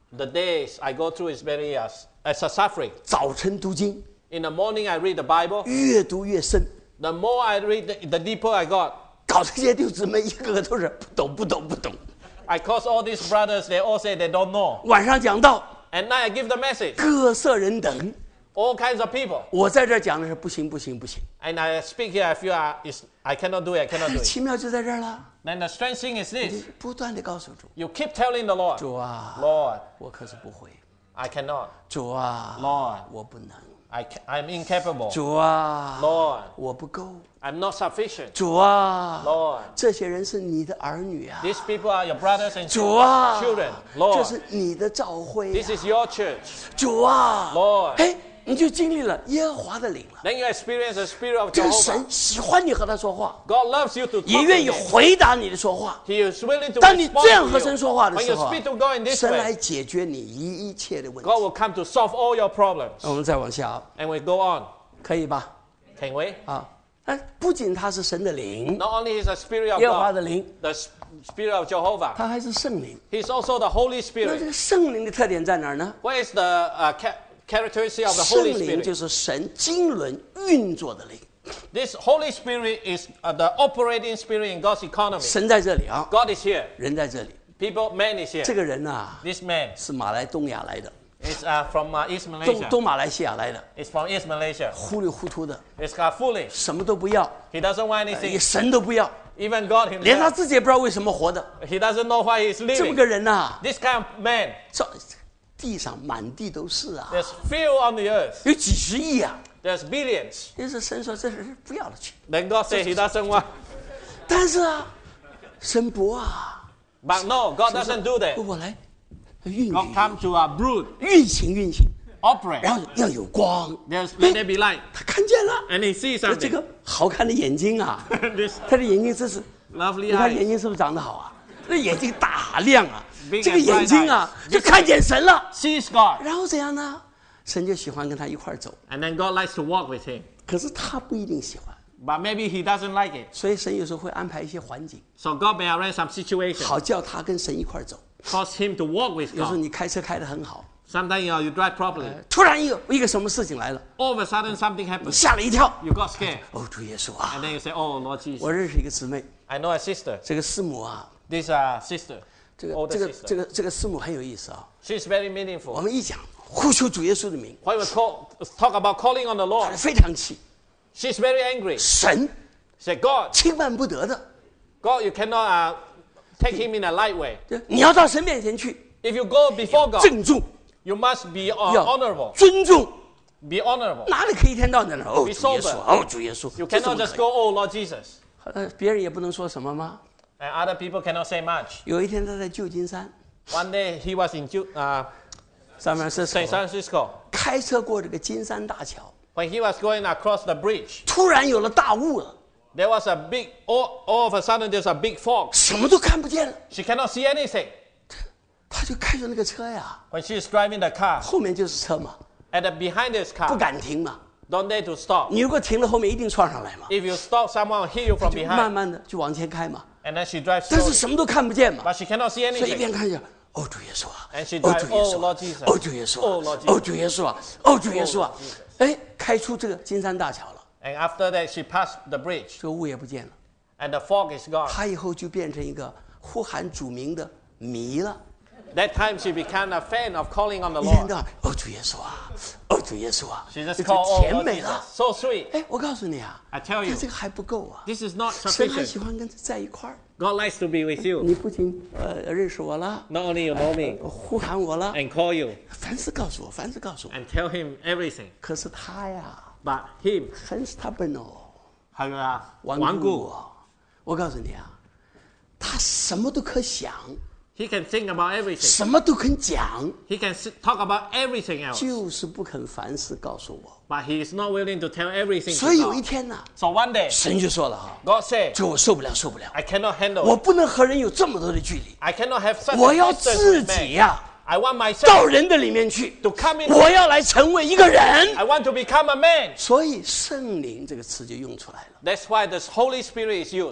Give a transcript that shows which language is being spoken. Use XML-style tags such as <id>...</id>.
<en>The days I go through is very as a suffering.</en> <zh>早晨读经。</zh> <en>In the morning, I read the Bible.</en> <zh>越读越深。</zh> <en>The more I read, the deeper I got.</en> <zh>搞这些弟兄姊妹一个个都是不懂，不懂，不懂。</zh> <en>I call all these brothers. They all say they don't know.</en> <zh>晚上讲道。</zh> <en>And now I give the message.</en> <zh>各色人等。</zh> <en>All kinds of people.</en> <zh>我在这讲的是不行，不行，不行。</zh> <en>And I speak here. I feel I cannot do it. I cannot do it.</en> <zh>奇妙就在这儿了。</zh> <en>Then the strange thing is this.</en> <zh>不断地告诉主。</zh> <en>You keep telling the Lord.</en> <zh>主啊。</zh> <en>Lord.</en> <zh>我可是不会。</zh> <en>I cannot.</en> <zh>主啊。</zh> <en>Lord.</en> <zh>我不能。</zh> <en>I'm incapable.</en> <zh>主啊</zh> <en>，Lord，</en> <zh>我不够。</zh> <en>I'm not sufficient.</en> <zh>主啊</zh> <en>，Lord，</en> <zh>这些人是你的儿女啊。</zh> <en>These people are your brothers and children.</en> <zh>主啊</zh> <en>，Children, Lord，</en> <zh>这是你的教会、啊。</zh> <en>This is your church.</en> <zh>主啊</zh> <en>，Lord，</en> <zh>哎，你就经历了耶和华的灵了。</zh> <en>Then you experience the spirit of Jehovah.</en> <zh>这个神喜欢你和他说话。</zh> <en>God loves you to talk.</en> <zh>也愿意回答你的说话。</zh> <en>He is willing to respond to you.</en> <zh>当你这样和神说话的时候</zh> <en>，When you speak to God in this way,</en> <zh>神来解决你一切的问题。</zh> <en>God will come to solve all your problems.</en> <zh>我们再往下。</zh> <en>And we go on.</en> <zh>可以吧</zh> <en>？Can we?</en> <zh>啊，不仅他是神的灵</zh> <en>，Not only is the spirit of God,</en> <zh>耶和华的灵</zh> <en>，the spirit of Jehovah.</en> <zh>他还是圣灵。</zh> <en>He's also the Holy Spirit.</en> <zh>那这个圣灵的特点在哪儿呢</zh> <en>？Where is the characteristic of the Holy Spirit.</en> <zh>圣灵就是神经纶运作的灵。</zh> <en>This Holy Spirit is the operating spirit in God's economy.</en> <zh>神在这里啊。</zh> <en>God is here.</en> <zh>人在这里。</zh> <en>People, man is here.</en> <zh>这个人啊。</zh> <en>This man.</en> <zh>是马来东亚来的。</zh> <en>It's from East Malaysia.</en> <zh>东马来西亚来的。</zh> <en>It's from East Malaysia.</en> <zh>糊里糊涂的。</zh> <en>It's got foolish.</en> <zh>什么都不要。</zh> <en>He doesn't want anything.</en> <zh>神都不要。</zh> <en>Even God himself.</en> <zh>连他自己也不知道为什么活的。</zh> <en>He doesn't know why he's living.</en> <zh>这么个人啊。</zh> <en>This kind of man.</en> <zh>地上满地都是啊</zh> <en>！There's few on the earth.</en> <zh>有几十亿啊</zh> <en>！There's billions.</en> <zh>于是神说：“这人不要了去。</zh> <en>”Then God said he doesn't want.</en> <zh>但是啊，神不啊</zh> <en>！But no, God doesn't do that.</en> <zh>我来运行。</zh> <en>God come to a brood.</en> <zh>运行运行。</zh> <en>Operate.</en> <zh>然后要有光。</zh> <en>There's let there be light.</en> <zh>他看见了。</zh> <en>And he sees something.</en> <zh>这个好看的眼睛啊</zh> <en>！This</en> <zh>他的眼睛真是</zh> <en>lovely eyes.</en> <zh>你看眼睛是不是长得好啊？那眼睛大亮啊！</zh> <en>Being、</en> <zh>这个眼睛啊，就看见神了。</zh> <en>Sees God.</en> <zh>然后怎样呢？神就喜欢跟他一块走。</zh> <en>And then God likes to walk with him.</en> <zh>可是他不一定喜欢。</zh> <en>But maybe he doesn't like it.</en> <zh>所以神有时候会安排一些环境。</zh> <en>So God may arrange some situation.</en> <zh>好叫他跟神一块走。</zh> <en>Cause him to walk with God.</en> <zh>有时候你开车开得很好。</zh> <en>Sometimes you know, you drive properly.</en> <zh>突然一个什么事情来了。</zh> <en>All of a sudden something happened.</en> <zh>吓了一跳。</zh> <en>You got scared.</en> <zh>哦，主耶稣啊。</zh> <en>And then you say, Oh Lord Jesus.</en> <zh>我认识一个姊妹。</zh> <en>I know a sister.</en> <zh>这个师母啊。</zh> <en>This sister.</en> <zh>这个师母很有意思啊。</zh> <en>She's very meaningful.</en> <zh>我们一讲。呼求主耶稣的名。</zh> <en>When we talk about calling on the Lord,</en> <zh>非常气。</zh> <en>She's very angry.</en> <zh>神</zh> <en>said God,</en> <zh>轻慢不得的。</zh> <en>God, you cannot take him in a light way.</en> <zh>你要到神面前去。</zh> <en>If you go before God,</en> <zh>敬重。</zh> <en>You must be honorable.</en> <zh>尊重。</zh> <en>Be honorable.</en> <zh>哪里可以一天到晚在那儿？哦，主耶稣，哦，主耶稣。</zh> <en>You cannot just go, Oh Lord Jesus.</en> <zh>别人也不能说什么吗</zh> <en>？And other people cannot say much.</en> <zh>有一天他在旧金山。</zh> <en>One day he was in San Francisco</en> <zh>开车过这个金山大桥。</zh> <en>When he was going across the bridge,</en> <zh>突然有了大雾了。</zh> <en>There was a big all of a sudden there's a big fog.</en> <zh>什么都看不见了。</zh> <en>She cannot see anything.</en> <zh>他就开着那个车呀。</zh> <en>When she's driving the car,</en> <zh>后面就是车嘛。</zh> <en>And behind this car,</en> <zh>不敢停嘛。</zh> <en>Don't dare to stop.</en> <zh>你如果停了，后面一定撞上来嘛。</zh> <en>If you stop, someone will hit you from behind.</en> <zh>慢慢的就往前开嘛。</zh> <en>And then she drives.</en> <zh>但是什么都看不见嘛。</zh> <en>But she cannot see anything.</en> <zh>所以一边看着。哦，主耶稣啊！哦，主耶稣！哦，主耶稣！哦，主耶稣啊！哦，主耶稣啊！哎，开出这个金山大桥了。</zh> <en>And after that, she passed the bridge.</en> <zh>这雾也不见了。</zh> <en>And the fog is gone.</en> <zh>她以后就变成一个呼喊主名的迷了。</zh> <en>That time she became a fan of calling on the Lord.</en> <zh>一天到晚，哦，主耶稣啊！哦，主耶稣啊！这甜美了。</zh> <en>So sweet.</en> <zh>哎，我告诉你啊</zh> <en>，I tell you，</en> <zh>这个还不够啊。</zh> <en>This is not sufficient.</en> <zh>神还喜欢跟他在一块儿。</zh> <en>God likes to be with you.</en> <zh>你不仅认识我了</zh> <en>，Not only you know me，</en> <zh>呼喊我了</zh> <en>，And call you，</en> <zh>凡事告诉我，凡事告诉我</zh> <en>，And tell him everything。</en> <zh>可是他呀</zh> <en>，But him，</en> <zh>很 stubborn 哦，还有啊，顽固哦。我告诉你啊，他什么都可想</zh> <en>，He can think about everything，</en> <zh>什么都肯讲</zh> <en>，He can talk about everything else，</en> <zh>就是不肯凡事告诉我。</zh> <en>But he is not willing to tell everything.</en> <zh>所以有一天呢</zh> <en>，So one day,</en> <zh>神就说了哈</zh> <en>，God said,</en> <zh>就我受不了，受不了</zh> <en>，I cannot handle.</en> <zh>我不能和人有这么多的距离</zh> <en>，I cannot have such.</en> <zh>我要自己呀</zh> <en>，I want myself</en> <zh>到人的里面去</zh> <en>，to come in.</en> <zh>我要来成为一个人</zh> <en>，I want to become a man.</en> <zh>所以圣灵这个词就用出来了</zh> <en>，That's why the Holy Spirit is used.</en>